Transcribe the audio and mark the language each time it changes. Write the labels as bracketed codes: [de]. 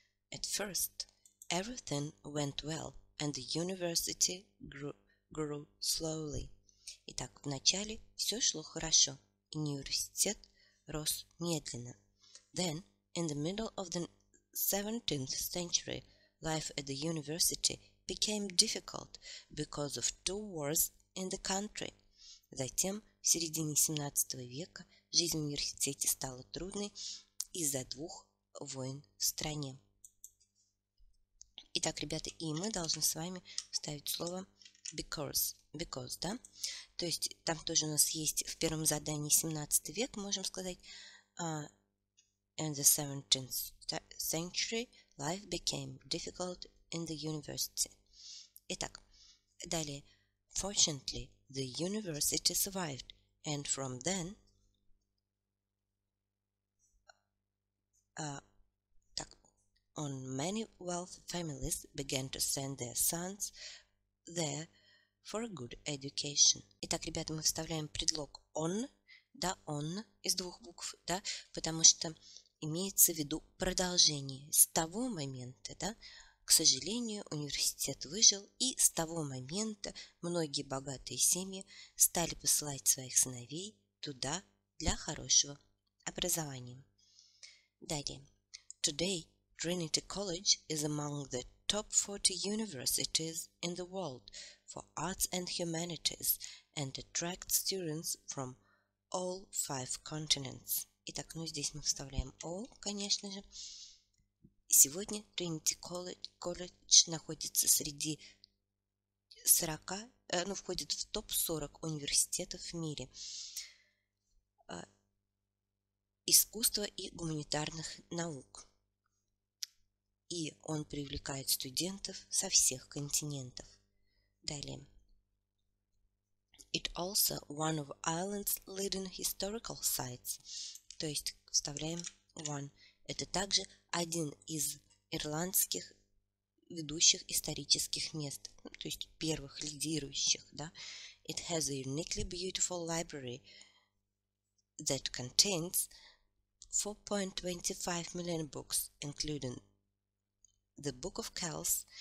[en] At first, everything went well and the university grew slowly. [ru] Итак, вначале все шло хорошо, и университет рос медленно. [en] Then, in the middle of the 17th century, life at the university became difficult because of two wars in the country. [ru] Затем, в середине 17 века, жизнь в университете стала трудной из-за двух войн в стране. Итак, ребята, и мы должны с вами вставить слово because, да? То есть там тоже у нас есть в первом задании 17 век, можем сказать, [en] in the 17th century Life became difficult in the university. [ru] Итак, далее. [en] Fortunately, the university survived, and from then... так, on many wealthy families began to send their sons there for a good education. [ru] Итак, ребята, мы вставляем предлог on, да, on, из двух букв, да, потому что имеется в виду продолжение. С того момента, да, к сожалению, университет выжил, и с того момента многие богатые семьи стали посылать своих сыновей туда для хорошего образования. Далее. [en] Today, Trinity College is among the top 40 universities in the world for arts and humanities and attracts students from all 5 continents. [ru] Итак, ну здесь мы вставляем all, конечно же. Сегодня Trinity College находится среди 40, ну, входит в топ 40 университетов в мире искусства и гуманитарных наук. И он привлекает студентов со всех континентов. Далее. [en] It also one of Ireland's leading historical sites. [ru] То есть вставляем one. Это также один из ирландских ведущих исторических мест, то есть первых лидирующих, да. [en] It has a uniquely beautiful library that contains 4.25 million books, including the Book of Kells.